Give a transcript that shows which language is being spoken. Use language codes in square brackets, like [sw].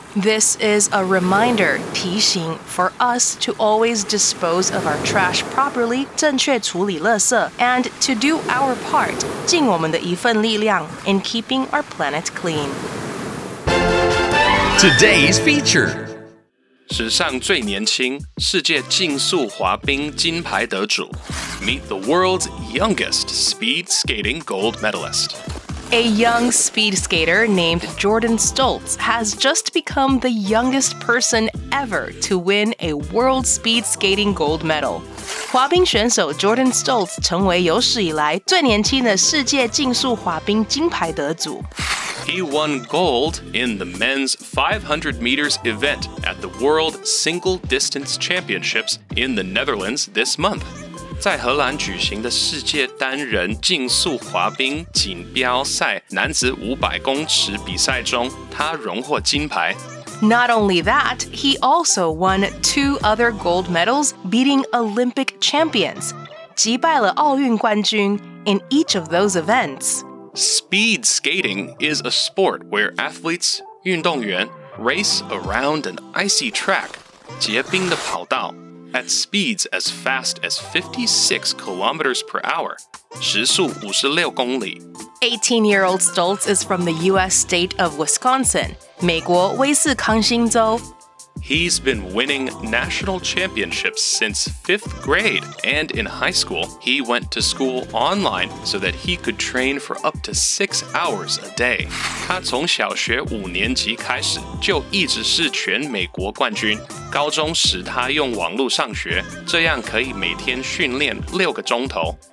[en] This is a reminder, [zh] 提醒, [en] for us to always dispose of our trash properly, [zh] 正确处理垃圾, [en] and to do our part, [zh] 尽我们的一份力量, [en] in keeping our planet clean. Today's feature. [zh] 史上最年轻世界竞速滑冰金牌得主 [en] Meet the world's youngest speed skating gold medalist. A young speed skater named Jordan Stoltz has just become the youngest person ever to win a world speed skating gold medal. [zh] 滑冰选手 Jordan Stoltz 成为有史以来最年轻的世界竞速滑冰金牌得主。 [en] He won gold in the men's 500 meters event at the World Single Distance Championships in the Netherlands this month. [zh] 在荷兰举行的世界单人竞速滑冰锦标赛男子500公尺比赛中，他荣获金牌。 [en] Not only that, he also won two other gold medals, beating Olympic champions, [zh] 击败了奥运冠军 [en] in each of those events. Speed skating is a sport where athletes [zh] 运动员 [en] race around an icy track, [zh] 结冰的跑道 [en] at speeds as fast as 56 kilometers per hour, [zh] 时速56公里。 [en] 18-year-old Stoltz is from the U.S. state of Wisconsin, [zh] 美国威斯康星州。 [en] He's been winning national championships since 5th grade, and in high school, he went to school online so that he could train for up to 6 hours a day. [zh] 他从小学五年级开始就一直是全美国冠军。高中时他用网络上学，这样可以每天训练六个钟头。